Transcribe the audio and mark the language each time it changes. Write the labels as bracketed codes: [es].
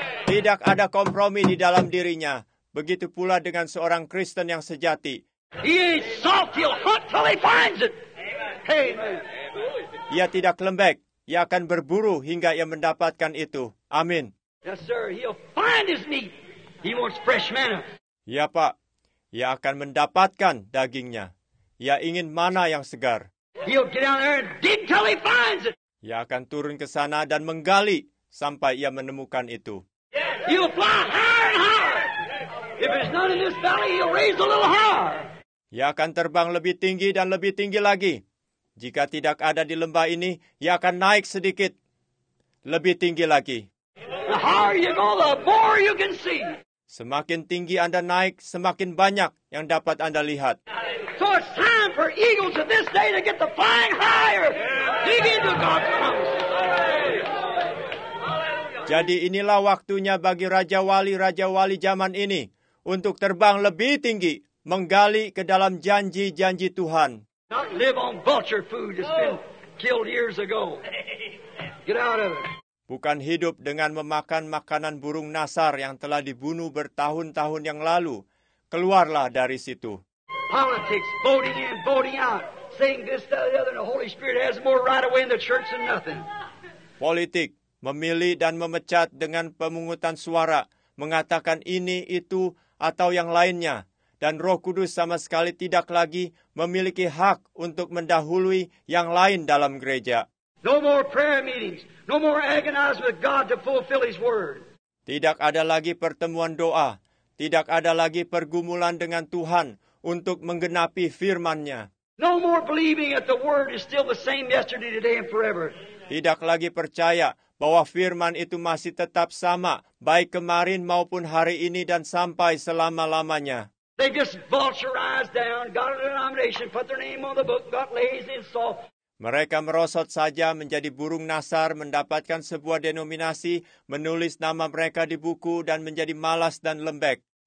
[id] Tidak ada kompromi di dalam dirinya. Begitu pula dengan seorang Kristen yang sejati. [en] He is soft, he'll hunt till he finds it. Amen. [id] Ia tidak lembek. Ia akan berburu hingga ia mendapatkan itu. Amin. [en] Yes, sir. He'll find his meat. He wants fresh manna. [id] Ya, Pak. Ia akan mendapatkan dagingnya. Ia ingin mana yang segar. [en] He'll get down there and dig till he finds it. [id] Ia akan turun ke sana dan menggali sampai ia menemukan itu. [en] He'll fly higher and higher. If it's not in this valley, he'll raise a little higher. [id] Ia akan terbang lebih tinggi dan lebih tinggi lagi. Jika tidak ada di lembah ini, ia akan naik sedikit lebih tinggi lagi. [en] The higher you go, the more you can see. [id] Semakin tinggi Anda naik, semakin banyak yang dapat Anda lihat. [en] So it's time for eagles of this day to get the flying higher. Dig into God's promise. [id] Jadi inilah waktunya bagi raja wali zaman ini untuk terbang lebih tinggi, menggali ke dalam janji-janji Tuhan. [en] Not live on vulture food that's been killed years ago. Get out of it. [id] Bukan hidup dengan memakan makanan burung nazar yang telah dibunuh bertahun-tahun yang lalu. Keluarlah dari situ. [en] Politics, voting in, voting out, saying this, that, the other, and the Holy Spirit has more right away in the church than nothing. [id] Politik, memilih dan memecat dengan pemungutan suara, mengatakan ini, itu, atau yang lainnya. Dan Roh Kudus sama sekali tidak lagi memiliki hak untuk mendahului yang lain dalam gereja. [en] No more prayer meetings. No more agonizing with God to fulfill His word. [id] Tidak ada lagi pertemuan doa. Tidak ada lagi pergumulan dengan Tuhan untuk menggenapi firman-Nya. [en] No more believing that the word is still the same yesterday, today, and forever. [id] Tidak lagi percaya bahwa firman itu masih tetap sama, baik kemarin maupun hari ini dan sampai selama-lamanya. [en] They just vulturized down, got a denomination, put their name on the book, got lazy and soft. [id] Mereka merosot saja menjadi burung nazar, mendapatkan sebuah denominasi, menulis nama mereka di buku, dan menjadi malas dan lembek.